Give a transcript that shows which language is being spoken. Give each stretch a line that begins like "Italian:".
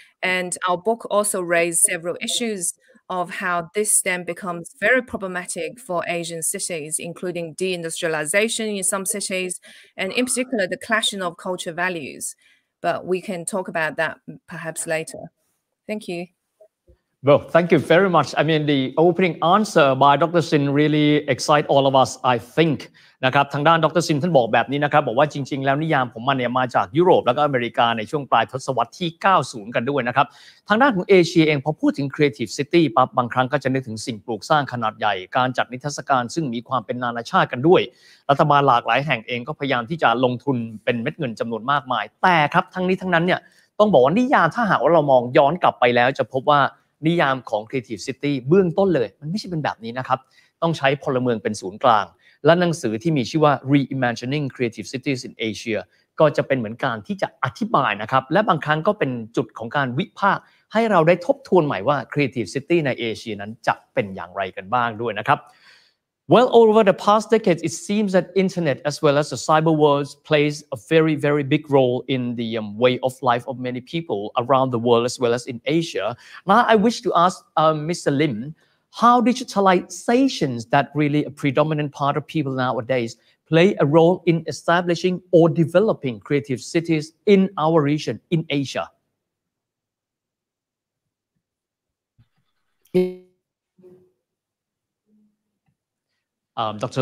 English: And our book also raised several issues of how this then becomes very problematic for Asian cities, including deindustrialization in some cities, and in particular, the clashing of culture values. But we can talk about that perhaps later. Thank you. Well, thank you very much. I mean, the opening answer by Dr. Sin really excites all of us, I think.
Thai: นะครับทางด้านดร.ซินท่านบอกแบบนี้นะครับบอกว่าจริงๆแล้วนิยามของมันเนี่ยมาจากยุโรปแล้วก็อเมริกาในช่วงปลายทศวรรษที่90กันด้วยนะครับทางด้านของเอเชียเองพอพูดถึง Creative City ปั๊บบางครั้งก็จะนึกถึงสิ่งปลูกสร้างขนาดใหญ่การจัดนิทรรศการซึ่งมีความเป็นนานาชาติกันด้วย รัฐบาลหลากหลายแห่งเองก็พยายามที่จะลงทุนเป็นเม็ดเงินจำนวนมากมายแต่ครับทั้งนี้ทั้งนั้นเนี่ยต้องบอกว่านิยามถ้าหากว่าเรามองย้อนกลับไปแล้วจะพบว่า นิยามของ Creative City เบื้องต้นเลยมันไม่ใช่เป็นแบบนี้นะครับต้องใช้พลเมืองเป็นศูนย์กลางและหนังสือที่มีชื่อว่า Reimagining Creative Cities in Asia ก็จะเป็นเหมือนการที่จะอธิบายนะครับและบางครั้งก็เป็นจุดของการวิพากษ์ให้เราได้ทบทวนใหม่ว่า Creative City ในเอเชียนั้นจะเป็นอย่างไรกันบ้างด้วยนะครับ
English: Well over the past decades it seems that internet as well as the cyber world plays a very very big role in the way of life of many people around the world as well as in Asia Now I wish to ask Mr. LimHow digitalizations that really a predominant part of people nowadays play a role in establishing or developing creative cities in our region, in Asia? Dr.